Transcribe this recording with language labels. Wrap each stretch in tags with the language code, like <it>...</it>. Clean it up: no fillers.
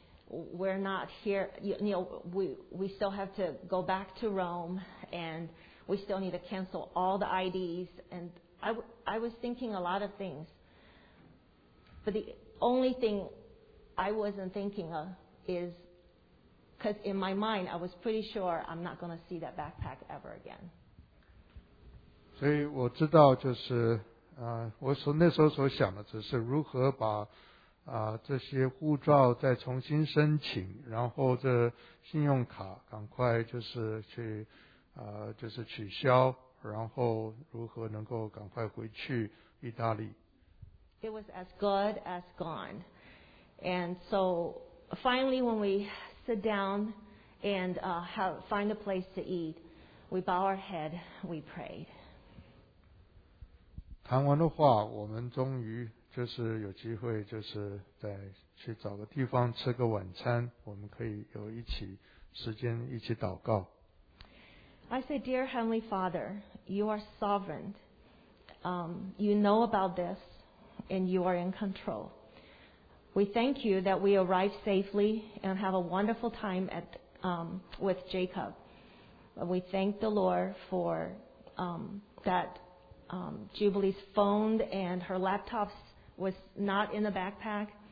<en>We're not here. We still have to go back to Rome, and we still need to cancel all the IDs. And I was thinking a lot of things. But the only thing I wasn't thinking of is, because in my mind, I was pretty sure I'm not going to see that backpack ever again.</en> <zh>所以我知道就是我说那时候所想的只是如何把这些护照再重新申请，然后这信用卡赶快就是去就是取消，然后如何能够赶快回去意大利。</zh> <en>It was as good as gone. And so finally when we sit down and find a place to eat, we bow our head, we prayed.</en> <zh>谈完的话，我们终于就是有机会就是再去找个地方吃个晚餐，我们可以有一起时间一起祷告。</zh> <en>I say, Dear Heavenly Father, you are sovereign. You know about this and you are in control. We thank you that we arrived safely and have a wonderful time at, with Jacob. We thank the Lord for that Jubilee's phone and her laptop was not in the backpack.</en>